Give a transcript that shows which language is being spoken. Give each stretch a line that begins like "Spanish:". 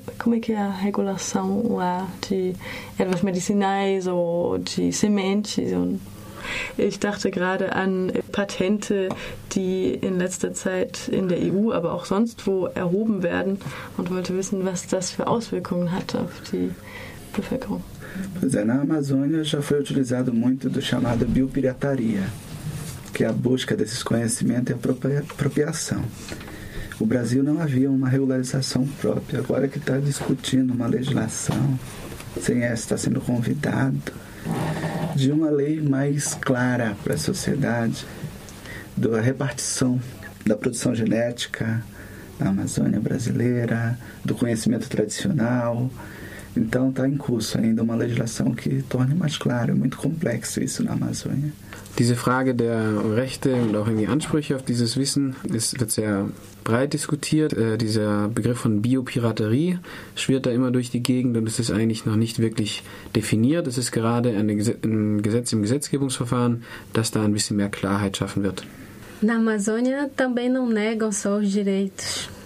Portuguese: Como é que é a regulação lá de ervas medicinais ou de sementes?
German: Ich dachte gerade an Patente, die in letzter Zeit in der EU, aber auch sonst wo erhoben werden und wollte wissen, was das für Auswirkungen hat auf die Bevölkerung.
Portuguese: Pois é, na Amazônia já foi utilizado muito do chamado biopirataria, que é a busca desses conhecimentos e apropriação. O Brasil não havia uma regularização própria, agora que está discutindo uma legislação, sem essa está sendo convidado, de uma lei mais clara para a sociedade, da repartição da produção genética na Amazônia brasileira, do conhecimento tradicional. Então está em curso ainda uma legislação que torne mais claro, muito complexo isso na Amazônia.
German: Diese Frage der Rechte und auch irgendwie Ansprüche auf dieses Wissen wird sehr breit diskutiert. Dieser Begriff von Biopiraterie schwirrt da immer durch die Gegend und es ist eigentlich noch nicht wirklich definiert. Es ist gerade ein Gesetz im Gesetzgebungsverfahren, das da ein bisschen mehr Klarheit schaffen wird.
Portuguese: Na Amazônia também não negam só os direitos.